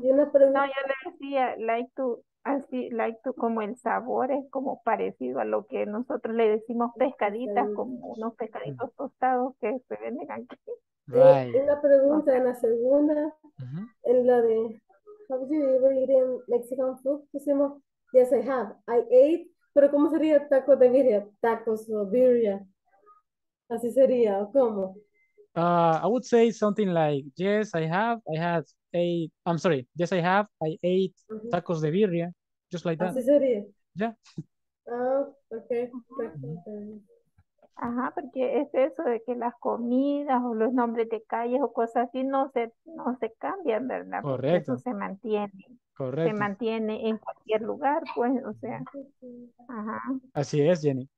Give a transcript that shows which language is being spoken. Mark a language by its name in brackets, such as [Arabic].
[Spanish] No, yo le decía, like to, como el sabor es como parecido a lo que nosotros le decimos pescaditas, como unos pescaditos tostados que se venden aquí. [English] Right. [Spanish] Y una pregunta en la segunda, en la de, [English] ¿have you ever eaten Mexican food? [Spanish] Decimos, [English] yes, I have. I ate, [Spanish] pero ¿cómo sería taco de birria? Tacos o birria. Así sería, ¿cómo? [English] I would say something like, yes, I ate tacos de birria, just like that. [Spanish] Así sería. [English] Yeah. Okay. [Spanish] Ajá, porque es eso de que las comidas o los nombres de calles o cosas así no se cambian, ¿verdad? Correcto. Porque eso se mantiene. Correcto. Se mantiene en cualquier lugar, pues, o sea. Ajá. Así es, Jenny.